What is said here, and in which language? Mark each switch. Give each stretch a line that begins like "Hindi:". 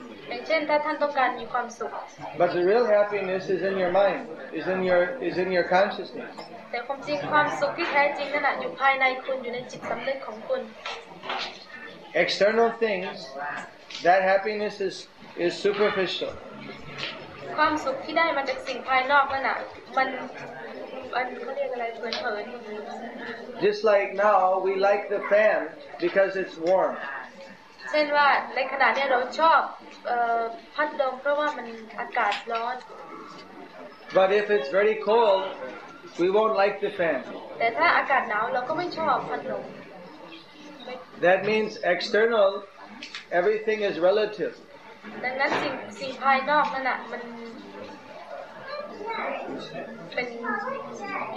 Thai: อย่างเช่นถ้าท่านต้องการมีความสุข
English: But the real happiness is in your mind, is in your consciousness.
Thai: แต่ความจริงความสุขที่แท้จริงนั่นแหละอยู่ภายในคุณอยู่ในจิตสำนึกของคุณ
English: External things, that happiness is superficial.
Thai: ความสุขที่ได้มาจากสิ่งภายนอกนั่นแหละมันเขาเรียกอะไรเพลินเพลิน
English: Just like now we like the fan because it's warm
Thai: เช่นว่าในขณะนี้เราชอบพัดลมเพราะว่ามันอากาศร้อน
English: But if it's very cold we won't like the fan
Thai: แต่ถ้าอากาศหนาวเราก็ไม่ชอบพัดลม
English: That means external everything is relative
Thai: ดังนั้นสิ่งภายนอกนั่นน่ะมันเป็นเก